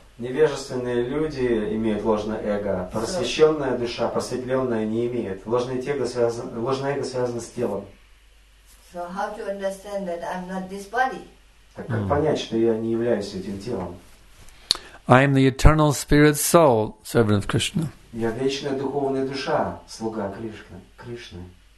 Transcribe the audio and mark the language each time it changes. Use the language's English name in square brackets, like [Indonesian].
[Russian] Невежественные люди имеют ложное эго. Просвещенная душа, просветленная, не имеет. Ложное эго связано с телом. [English] So how to understand that I'm not this body? [Russian] Так как понять, что я не являюсь этим телом? [English] I am the eternal spirit soul, servant of Krishna. [Russian] Я вечная духовная душа, слуга Кришны.